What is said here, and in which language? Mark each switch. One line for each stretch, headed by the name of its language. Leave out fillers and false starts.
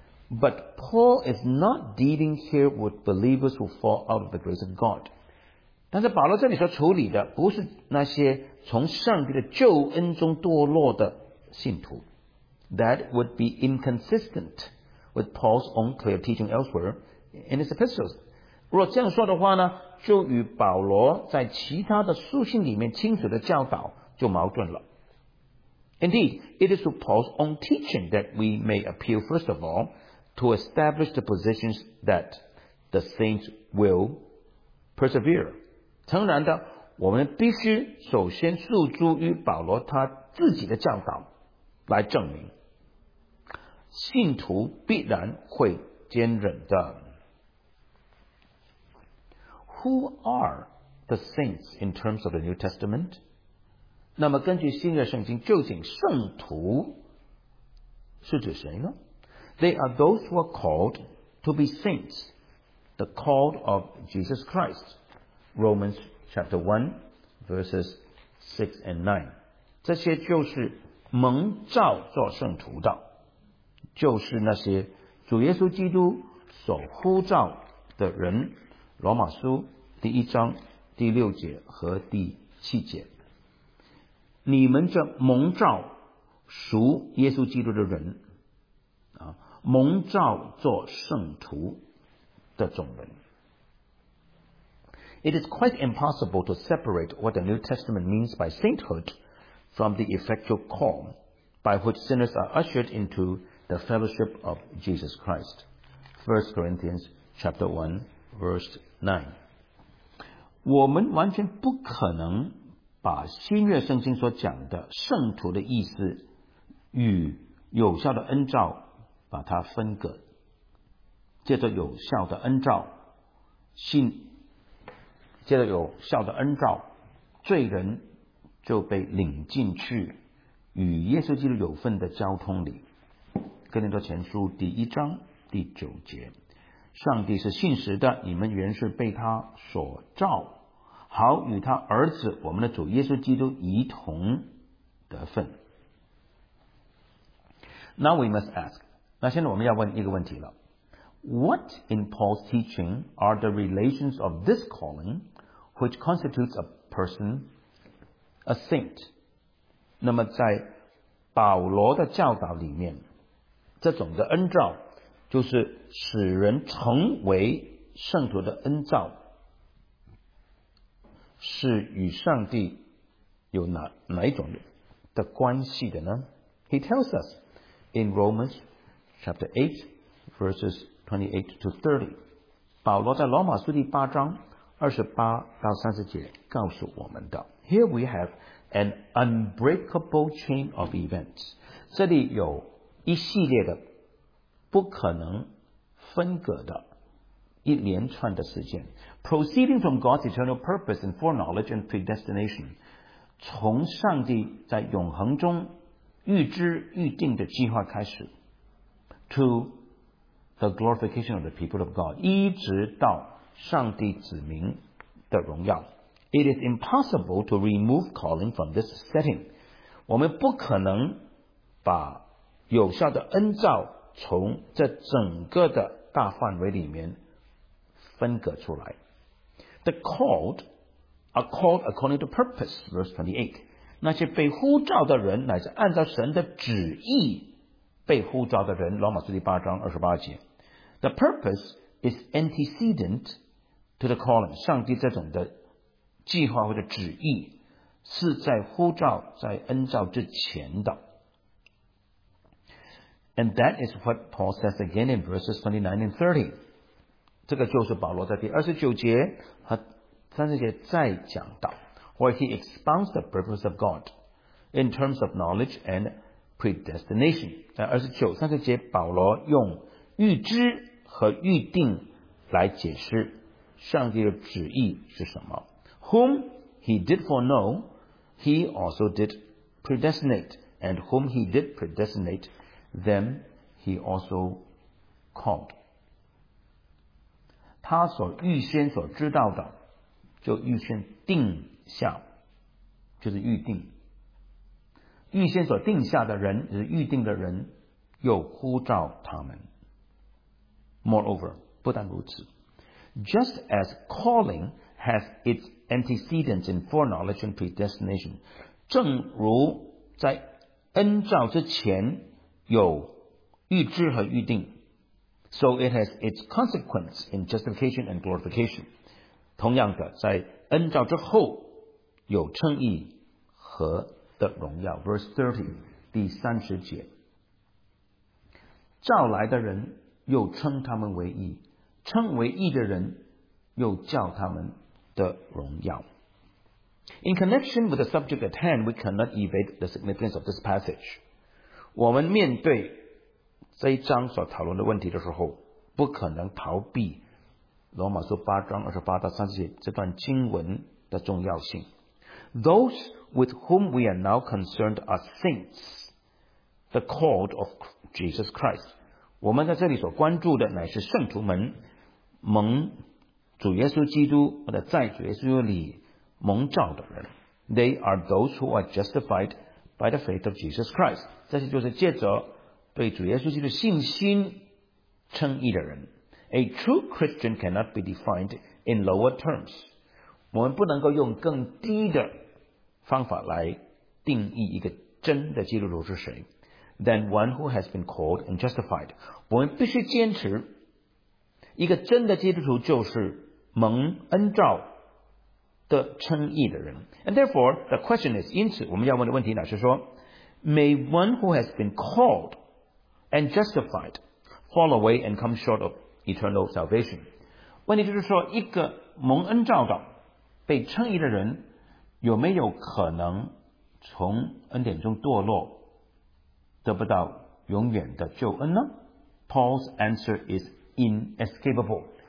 English: But Paul is not dealing here with believers who fall out of the grace of God.
Chinese: 但是保罗这里所处理的不是那些从上帝的救恩中堕落的信徒。
English: That would be inconsistent with Paul's own clear teaching elsewhere in his epistles.
Chinese: 如果这样说的话呢，就与保罗在其他的书信里面清楚的教导就矛盾了。
English: Indeed, it is to Paul's own teaching that we may appeal first of all to establish the positions that the saints will persevere.
Chinese: 诚然的，我们必须首先诉诸于保罗他自己的教导来证明信徒必然会坚忍的。
English: Who are the saints in terms of the New Testament?
Chinese: 那么根据新约圣经，究竟圣徒是指谁呢？
English: They are those who are called to be saints, the called of Jesus Christ. Romans chapter 1 verses 6 and 9.
Chinese: 这些就是蒙召做圣徒的，就是那些主耶稣基督所呼召的人，罗马书第一章第六节和第七节。你们这蒙召属耶稣基督的人啊，蒙召做圣徒的众人。 It is quite impossible to separate what the New Testament means by sainthood from the effectual call by which sinners are ushered into the fellowship of Jesus Christ. 1 Corinthians chapter 1, verse 9. 我们完全不可能把新约圣经所讲的圣徒的意思与有效的恩召把它分隔。借着有效的恩召，信，借着有效的恩召，罪人就被领进去与耶稣基督有份的交通里。哥林多前书第一章第九节，上帝是信实的，你们原是被他所造，好与他儿子我们的主耶稣基督一同得份。
English: Now we must ask，
Chinese: 那现在我们要问一个问题了。
English: What in Paul's teaching are the relations of this calling which constitutes a person, a saint?
Chinese: 那么在保罗的教导里面，这种的恩召就是使人成为圣徒的恩召，是与上帝有 哪一种的关系的呢？
English: He tells us in Romans chapter 8 verses 28 to 30，
Chinese: 保罗在罗马书第八章28到30节告诉我们的。
English: Here we have an unbreakable chain of events，
Chinese: 这里有一系列的不可能分隔的一连串的事件。
English: Proceeding from God's eternal purpose and foreknowledge and predestination，
Chinese: 从上帝在永恒中预知预定的计划开始，
English: To the glorification of the people of God，
Chinese: 一直到上帝子民的荣耀。
English: It is impossible to remove calling from this setting，
Chinese: 我们不可能把有效的恩召从这整个的大范围里面分隔出来。
English: The called are called according to purpose， verse 28，
Chinese: 那些被呼召的人乃是按照神的旨意被呼召的人，罗马书第八章二十八节。
English: The purpose is antecedent to the calling，
Chinese: 上帝这种的计划或者旨意是在呼召在恩召之前的。
English: And that is what Paul says again in verses 29 and 30.
Chinese: 这个就是保罗在第29节和30节再讲到，
English: where he expounds the purpose of God in terms of knowledge and predestination.
Chinese: 在29、30节，保罗用预知和预定来解释上帝的旨意是什么。
English: Whom he did foreknow, he also did predestinate, and whom he did predestinate,Then he also called.
Chinese: 他所预先所知道的，就预先定下，就是预定。预先所定下的人，就是预定的人，又呼召他们。
English: Moreover,
Chinese: 不但如此
English: ，just as calling has its antecedents in foreknowledge and predestination,
Chinese: 正如在恩召之前。有预知和预定
English: So it has its consequence in justification and glorification.
Chinese: 同样的在恩召之后有称义和的荣耀。
English: Verse 30,
Chinese: 第三十节。召来的人又称他们为义，称为义的人又叫他们的荣耀。
English: In connection with the subject at hand, we cannot evade the significance of this passage.
Chinese: 我们面对这一章所讨论的问题的时候，不可能逃避罗马书八章二十八到三十节这段经文的重要性。
English: Those with whom we are now concerned are saints, the called of Jesus Christ.
Chinese: 我们在这里所关注的乃是圣徒们，蒙主耶稣基督或者在主耶稣里蒙召的人。
English: They are those who are justified by the faith of Jesus Christ.
Chinese: 这些就是借着对主耶稣基督的信心称义的人。
English: A true Christian cannot be defined in lower terms，
Chinese: 我们不能够用更低的方法来定义一个真的基督徒是谁。
English: Than one who has been called and justified，
Chinese: 我们必须坚持一个真的基督徒就是蒙恩召的称义的人。
English: And therefore the question is,
Chinese: 因此我们要问的问题乃是说，
English: May one who has been called and justified fall away and come short of eternal salvation?
Chinese: 问题就是说，一个蒙恩召的被称义的人有没有可能从恩典中堕落，得不到永远的救恩呢？
English: Paul's answer is inescapable.